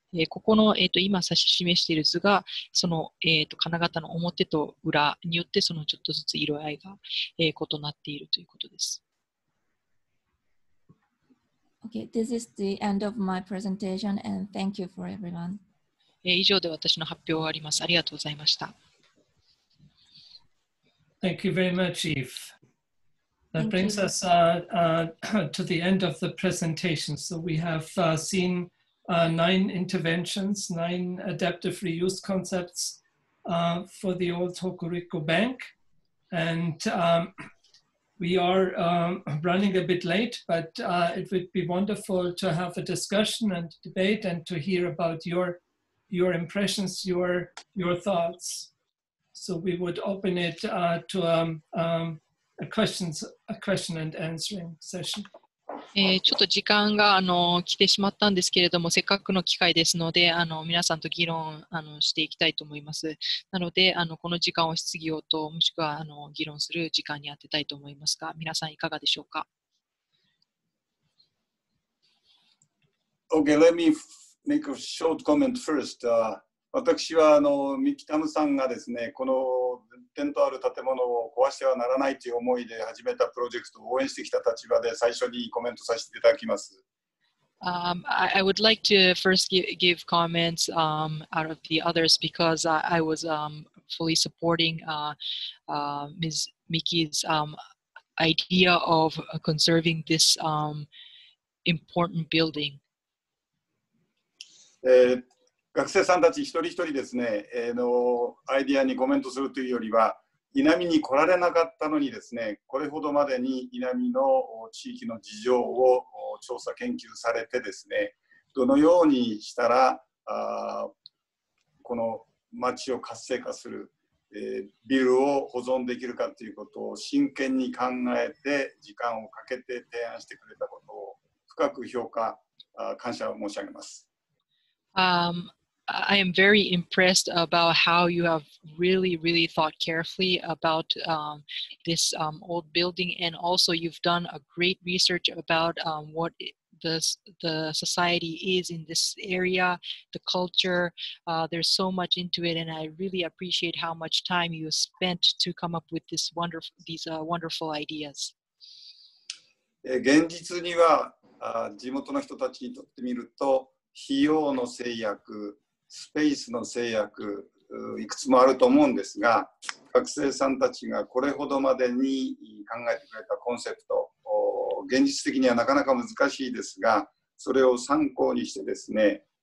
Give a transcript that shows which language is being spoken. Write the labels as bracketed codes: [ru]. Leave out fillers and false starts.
[ja] ここの、今指し示している図がその、金型の表と裏によってそのちょっとずつ色合いが、異なっているということです。 [en] Okay, this is the end of my presentation and thank you for everyone. [ja] 以上で私の発表を終わります。ありがとうございました。 [en] Thank you very much, Eve. That brings us to the end of the presentation. So we have seen nine interventions, nine adaptive reuse concepts for the old Hokuriku Bank. And we are running a bit late, but it would be wonderful to have a discussion and debate and to hear about your impressions, your thoughts. So we would open it to a question and answering session. [ja] ちょっと時間が来てしまったんですけれども、せっかくの機会ですので、皆さんと議論していきたいと思います。なので、この時間を質疑応答、もしくは議論する時間に当てたいと思いますが、皆さんいかがでしょうか。 [en] Okay, let me make a short comment first. [ja] 私は三木田さんがですね、この伝統ある建物を壊してはならないという思いで始めたプロジェクトを応援してきた立場で最初にコメントさせていただきます。 [en] I would like to first give comments out of the others because I was fully supporting Ms. Miki's idea of conserving this important building. [ja] 学生さんたち一人一人ですね、のアイディアにコメントするというよりは、稲見に来られなかったのにですね、これほどまでに稲見の地域の事情を調査研究されてですね、どのようにしたらこの町を活性化する、ビルを保存できるかということを真剣に考えて時間をかけて提案してくれたことを深く評価、感謝を申し上げます。 [en] I am very impressed about how you have really, really thought carefully about this old building, and also you've done a great research about what the society is in this area, the culture. There's so much into it, and I really appreciate how much time you spent to come up with this wonderful, these wonderful ideas. [ja] 現実には地元の人たちにとってみると費用の制約スペースの制約いくつもあると思うんですが学生さんたちがこれほどまでに考えてくれたコンセプト現実的にはなかなか難しいですがそれを参考にしてですね、